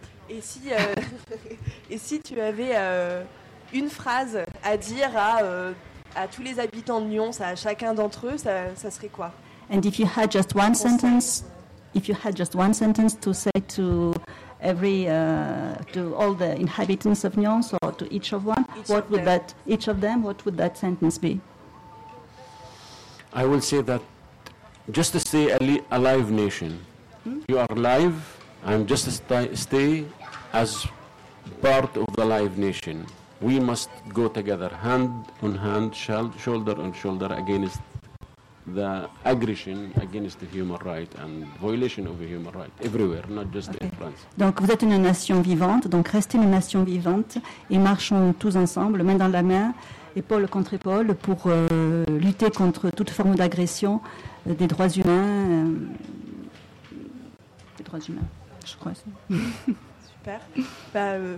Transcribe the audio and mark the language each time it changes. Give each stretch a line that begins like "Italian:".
French: Et si tu avais une phrase à dire à tous les habitants de Lyon, à chacun d'entre eux, ça serait quoi?
English: And if you had just one sentence, if you had just one sentence to say to every to all the inhabitants of Lyon, or to each of one, each what of would them. That each of them, what would that sentence be? I will say that just to stay a live nation. You are live, and just stay as part of the live nation. We must go together, hand on hand, shoulder on shoulder, against the aggression against the human right and violation of the human right everywhere, not just okay. in France.
French: Donc vous êtes une nation vivante, donc restez une nation vivante et marchons tous ensemble, main dans la main, épaule contre épaule, pour lutter contre toute forme d'agression des droits humains. Des droits humains, je crois. Super.